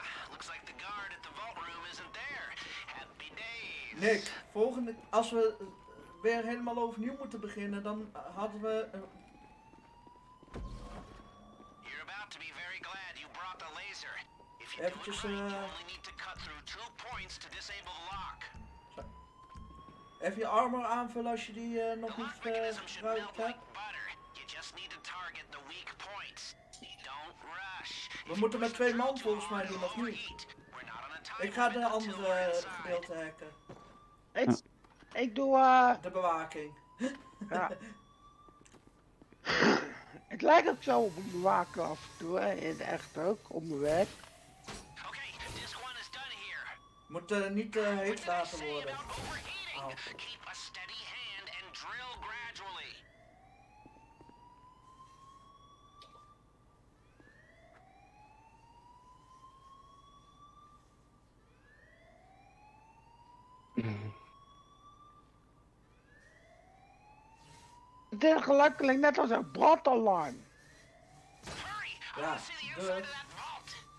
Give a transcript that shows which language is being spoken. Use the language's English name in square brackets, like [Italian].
[English] Looks like the guard at the vault room isn't there. Happy days. [Dutch] Nick, volgende als we weer helemaal overnieuw moeten beginnen, dan hadden we... [English] You're about to be very glad you brought the laser. If you do it right, you only need to cut through two points to disable the lock. [Dutch] Even je armor aanvullen als je die nog niet gebruikt hebt. [English] You just need to target the weak points. Don't rush. [Dutch] We moeten met twee man volgens mij doen, of niet? Ik ga de andere gedeelte hacken. Ik doe de bewaking. Ja. Het lijkt ook zo op een bewaker af en toe, in het echt ook, om de weg. [English] Okay, this one is done here. [Dutch] Moet niet heet laten worden. [English] Keep a steady hand and drill gradually. [Dutch] Het is gelukkig net als een brandalarm. Ja, [English] I see the inside of that vault.